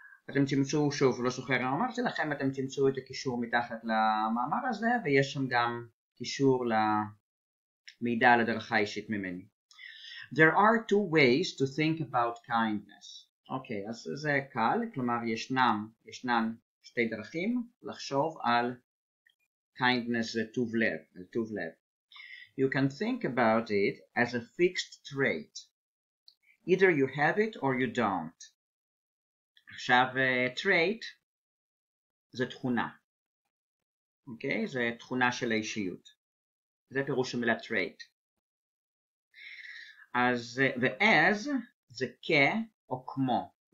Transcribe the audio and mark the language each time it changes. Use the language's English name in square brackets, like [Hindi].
[Hebrew] אתם תמצאו, שוב, לא זוכר אם אמרתי לכם, אתם תמצאו את הקישור מתחת למאמר הזה, ויש שם גם קישור למידע על הדרכה אישית ממני. [English] There are two ways to think about kindness. [Hebrew] אוקיי, אז זה קל, כלומר ישנן שתי דרכים לחשוב על kindness, זה טוב לב, על טוב לב. [English] You can think about it as a fixed trait. Either you have it or you don't. [Hebrew] עכשיו, trait זה תכונה, אוקיי? זה תכונה של האישיות. זה פירוש המילה trait. אז, ו-as זה כ או כמו.